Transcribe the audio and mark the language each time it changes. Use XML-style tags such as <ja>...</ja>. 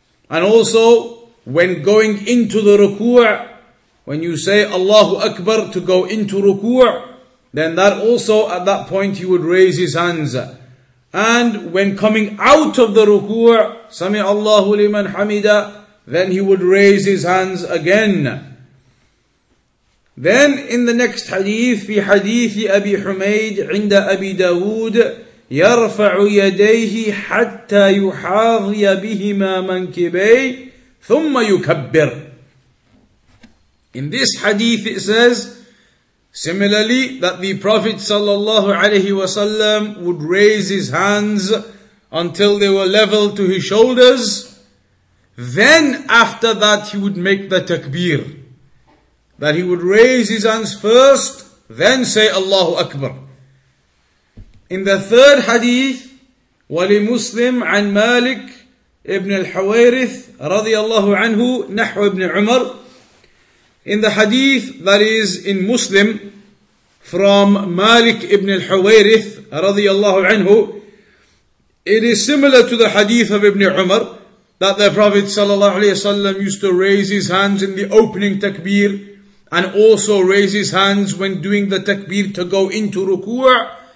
<en>And also, when going into the ruku', when you say Allahu Akbar to go into ruku', then that also, at that point, he would raise his hands. And when coming out of the ruku',</en> <ar>سَمِعَ اللَّهُ لِمَنْ حَمِدَ,</ar> <en>then he would raise his hands again. Then, in the next hadith,</en> <ar>في حديث أبي حميد عند أبي داود, يرفع يديه حتى يحاضي بهما منكبيه ثم يكبر.</ar> <en>In this hadith it says, similarly, that the Prophet sallallahu alaihi wasallam would raise his hands until they were level to his shoulders. Then after that he would make the takbir. That he would raise his hands first, then say Allahu Akbar. In the third hadith,</en> <ar>ولمسلم عن مالك ابن الحويرث رضي الله عنه نحو ابن عمر.</ar> <en>In the hadith that is in Muslim from مالك ابن الحويرث رضي الله عنه, it is similar to the hadith of ابن عمر, that the Prophet صلى الله عليه وسلم used to raise his hands in the opening takbir and also raise his hands when doing the takbir to go into ruku'.</en>